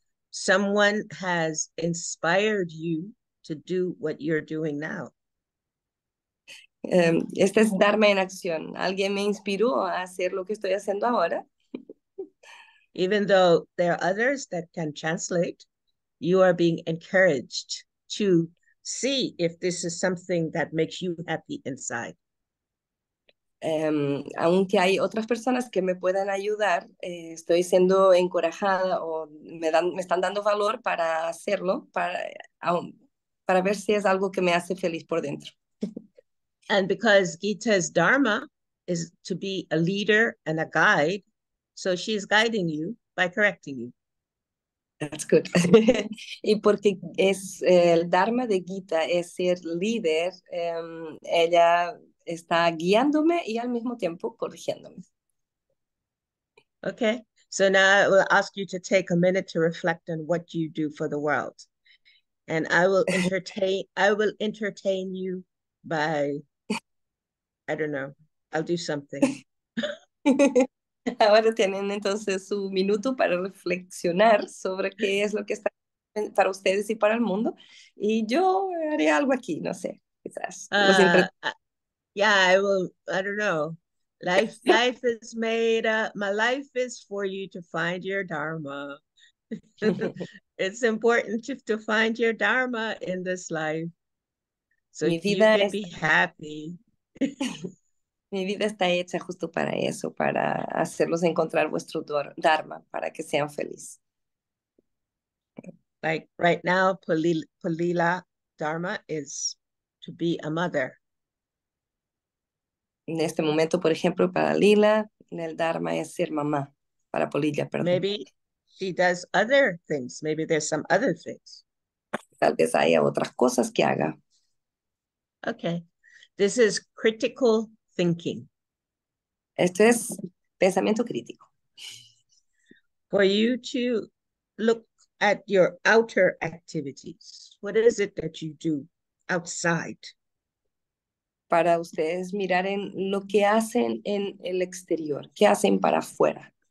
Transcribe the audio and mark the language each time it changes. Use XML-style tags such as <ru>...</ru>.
<en>Someone has inspired you to do what you're doing now.</en> <es>Este es Dharma en acción. Alguien me inspiró a hacer lo que estoy haciendo ahora.</es> <en>Even though there are others that can translate, you are being encouraged to see if this is something that makes you happy inside.</en> <es>Aunque hay otras personas que me puedan ayudar, estoy siendo encorajada o me están dando valor para hacerlo, para ver si es algo que me hace feliz por dentro.</es> <en>And because Gita's dharma is to be a leader and a guide, so she is guiding you by correcting you. That's good.</en> <es>Y porque es el Dharma de Gita, es ser líder, ella está guiándome y al mismo tiempo corrigiéndome.</es> <en>Okay, so now I will ask you to take a minute to reflect on what you do for the world. And I will entertain you by, I don't know, I'll do something.</en> <es>Ahora tienen entonces su minuto para reflexionar sobre qué es lo que está para ustedes y para el mundo. Y yo haré algo aquí, no sé, quizás los entre.</es> <en>Yeah, I don't know. Life is made up. My life is for you to find your dharma. It's important to find your dharma in this life so</en> <es>Mi</es> <en>you</en> <es>vida</es> <en>can</en> <es>es.</es> <en>be happy.</en> <es>Mi vida está hecha justo para eso, para hacerlos encontrar vuestro dharma, para que sean felices.</es> <en>Like right now, Palila dharma is to be a mother.</en> <es>En este momento, por ejemplo, para Lila, el dharma es ser mamá, para Polilla, perdón.</es> <en>Maybe she does other things. Maybe there's some other things.</en> <es>Tal vez haya otras cosas que haga.</es> <en>Okay. This is critical thinking.</en> <es>Esto es pensamiento crítico.</es> <en>For you to look at your outer activities, what is it that you do outside?</en> <es>para ustedes mirar en lo que hacen en el exterior, qué hacen para afuera.</es>